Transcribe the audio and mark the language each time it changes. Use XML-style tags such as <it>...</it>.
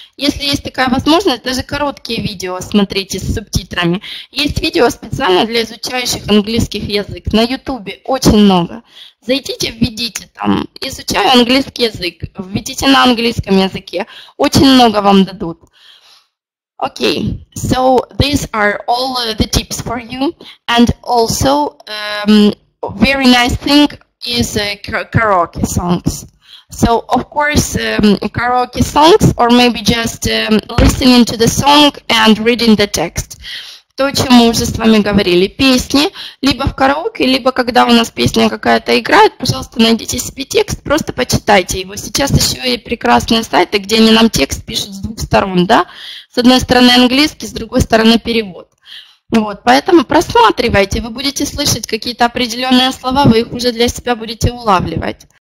<ru>Если есть такая возможность, даже короткие видео смотрите с субтитрами. Есть видео специально для изучающих английский язык. На YouTube очень много. Зайдите, введите там, изучаю английский язык, введите на английском языке, очень много вам дадут.</ru> <en>Okay, so these are all the tips for you, and also very nice thing is karaoke songs. So, of course, karaoke songs, or maybe just listening to the song and reading the text.</en> <ru>То, о чем мы уже с вами говорили, песни, либо в караоке, либо когда у нас песня какая-то играет, пожалуйста, найдите себе текст, просто почитайте его. Сейчас еще и прекрасные сайты, где они нам текст пишут с двух сторон, да? С одной стороны английский, с другой стороны перевод. Вот, поэтому просматривайте, вы будете слышать какие-то определенные слова, вы их уже для себя будете улавливать.</ru>